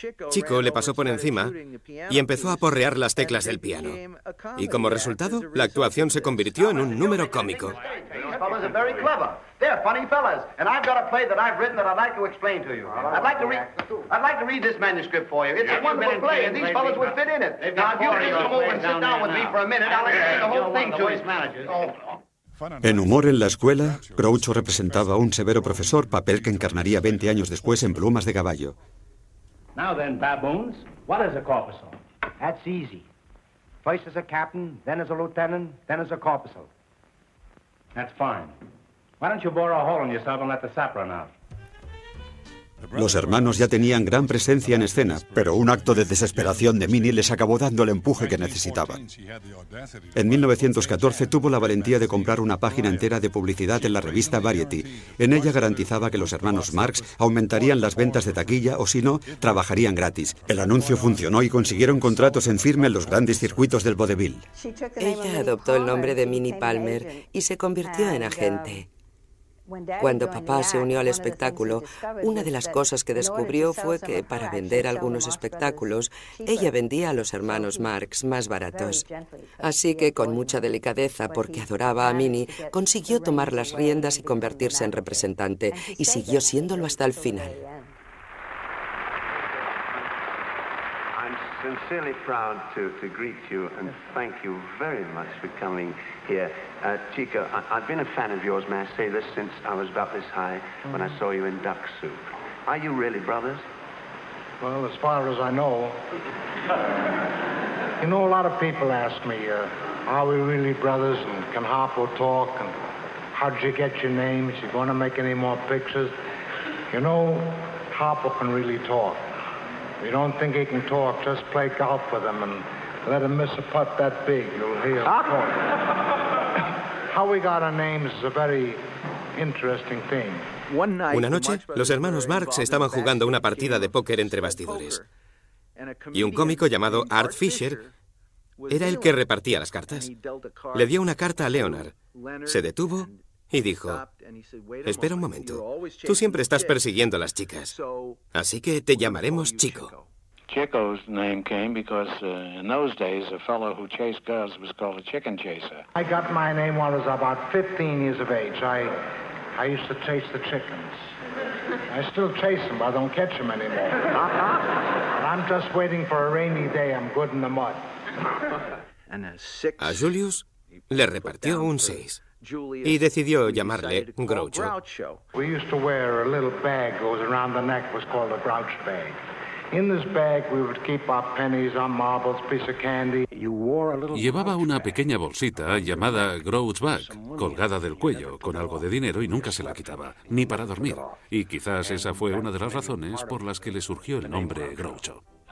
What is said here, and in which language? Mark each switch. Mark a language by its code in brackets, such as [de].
[es] Chico le pasó por encima y empezó a aporrear las teclas del piano. Y como resultado, la actuación se convirtió en un número cómico. [en] These fellas are very clever. They're funny fellas. And I've got a play that I've written that I'd like to explain to you. I'd like to read this manuscript for you. It's a wonderful play, and these fellas would fit in it. Now, if you could just come over and sit down with me for a minute, I'll explain the whole thing to you. [es] En humor en la escuela, Groucho representaba a un severo profesor, papel que encarnaría 20 años después en Plumas de Caballo. [en] Now then, baboons, what is a corpuscle? That's easy. First as a captain, then as a lieutenant, then as a corpuscle. That's fine. Why don't you bore a hole in yourself and let the sap run out? [es] Los hermanos ya tenían gran presencia en escena, pero un acto de desesperación de Minnie les acabó dando el empuje que necesitaban. En 1914 tuvo la valentía de comprar una página entera de publicidad en la revista Variety. En ella garantizaba que los hermanos Marx aumentarían las ventas de taquilla o, si no, trabajarían gratis. El anuncio funcionó y consiguieron contratos en firme en los grandes circuitos del vodevil. Ella adoptó el nombre de Minnie Palmer y se convirtió en agente. Cuando papá se unió al espectáculo, una de las cosas que descubrió fue que, para vender algunos espectáculos, ella vendía a los hermanos Marx más baratos. Así que, con mucha delicadeza, porque adoraba a Minnie, consiguió tomar las riendas y convertirse en representante, y siguió siéndolo hasta el final. [en] Sincerely proud to greet you and thank you very much for coming here. Chico, I've been a fan of yours, may I say this, since I was about this high when I saw you in Duck Soup. Are you really brothers? Well, as far as I know. You know, a lot of people ask me, are we really brothers, and can Harpo talk, and how did you get your name? Is he going to make any more pictures? You know, Harpo can really talk. You don't think he can talk, just play golf with him and let him miss a putt that big. You'll hear him talk. How we got our names is a very interesting thing. [es] Una noche, los hermanos Marx estaban jugando una partida de póker entre bastidores. Y un cómico llamado Art Fisher era el que repartía las cartas. Le dio una carta a Leonard. Se detuvo y dijo: espera un momento, tú siempre estás persiguiendo a las chicas, así que te llamaremos Chico. [en] Chico's name came because in those days a fellow who chased girls was called a chicken chaser. I got my name when I was about 15 years of age. I used to chase the chickens. I still chase them, but I don't catch them anymore. But I'm just waiting for a rainy day, I'm good in the mud. [es] A Julius le repartió un 6. y decidió llamarle Groucho. [en] We used to wear a little bag goes around the neck, was called a Grouch bag. In this bag we would keep our pennies, our marbles, piece of candy. You wore a little. [es] Llevaba una pequeña bolsita llamada Grouch bag colgada del cuello con algo de dinero y nunca se la quitaba, ni para dormir. Y quizás esa fue una de las razones por las que le surgió el nombre Groucho.